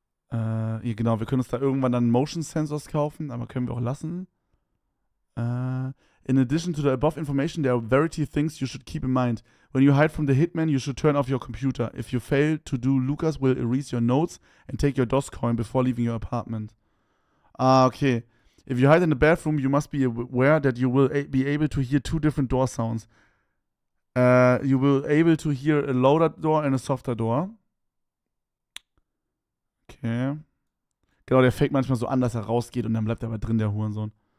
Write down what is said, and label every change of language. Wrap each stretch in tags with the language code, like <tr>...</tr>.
<de>Ja, genau, wir können uns da irgendwann dann Motion Sensors kaufen, aber können wir auch lassen.</de> <en>In addition to the above information, there are verity things you should keep in mind. When you hide from the hitman, you should turn off your computer. If you fail to do, Lucas will erase your notes and take your Dogecoin before leaving your apartment. Ah, okay. If you hide in the bathroom, you must be aware that you will be able to hear two different door sounds. You will able to hear a louder door and a softer door. Okay.</en> <de>Genau, der fake manchmal so an, dass er rausgeht und dann bleibt er aber drin, der Hurensohn.</de>